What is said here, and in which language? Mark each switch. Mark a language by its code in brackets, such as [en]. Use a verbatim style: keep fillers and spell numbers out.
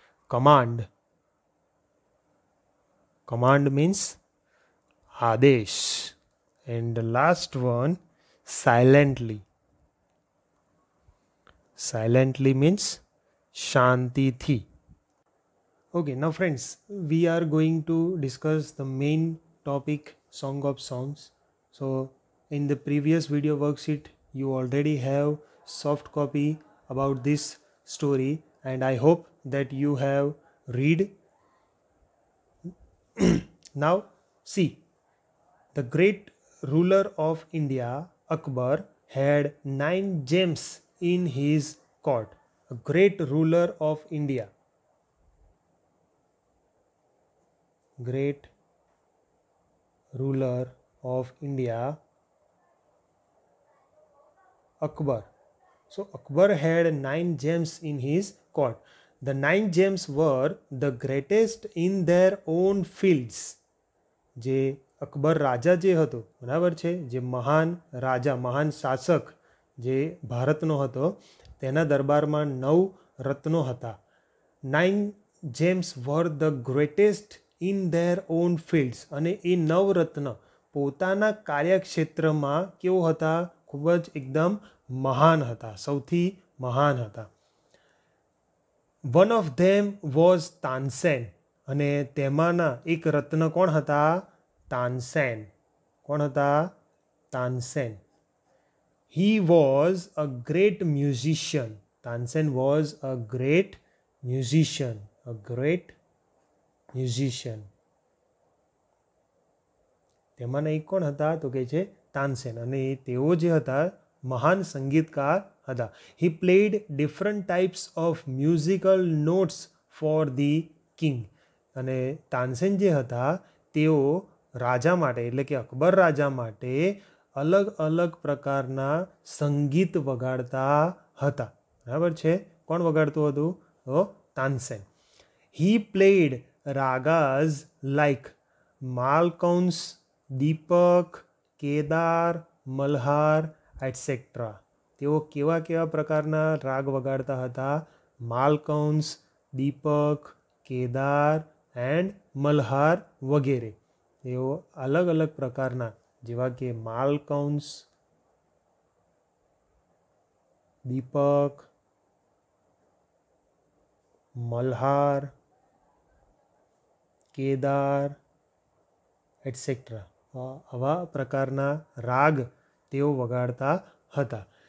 [en] Command, command means આદેશ. And the last one silently, silently means શાંતિથી. Okay, now friends, we are going to discuss the main topic, Song of Songs. So, in the previous video worksheet, you already have soft copy about this story, and I hope that you have read. Now, see, the great ruler of India, Akbar, had nine gems in his court. A great ruler of India, great ruler of India, Akbar. So Akbar had nine gems in his court. The nine gems were the greatest in their own fields. [gu] જે અકબર રાજા જે હતો, બરાબર છે, જે મહાન રાજા, મહાન શાસક જે ભારતનો હતો, તેના દરબારમાં નવ રત્નો હતા. [en] nine gems were the greatest in their own fields, [gu] અને એ નવરત્ન પોતાના કાર્યક્ષેત્રમાં કેવો હતા, ખૂબ જ એકદમ મહાન હતા, સૌથી મહાન હતા. [en] one of them was [gu] Tansen, અને તેમાંના એક રત્ન કોણ હતા, તાનસેન. કોણ હતા, [en] Tansen. He was a great musician. Tansen was a great musician. A great musician. [gu] તેમાંના એક કોણ હતા, તો કહે છે તાનસેન, અને તેઓ જે હતા મહાન સંગીતકાર હતા. [en] he played different types of musical notes for the king, [gu] અને તાનસેન જે હતા તેઓ રાજા માટે, એટલે કે અકબર રાજા માટે અલગ અલગ પ્રકારના સંગીત વગાડતા હતા, બરાબર છે. કોણ વગાડતું હતું, તો Tansen. [en] He played ragas like Malkans, Deepak, Kedar, Malhar, et cetera. [gu] તેઓ કેવા કેવા પ્રકારના રાગ વગાડતા હતા, માલકંસ, દીપક, કેદાર એન્ડ મલ્હાર વગેરે. તેઓ અલગ અલગ પ્રકારના, જેવા કે માલકંસ, દીપક, મલ્હાર, કેદાર એટસેટ્રા, આવા પ્રકારના રાગ તેઓ વગાડતા હતા.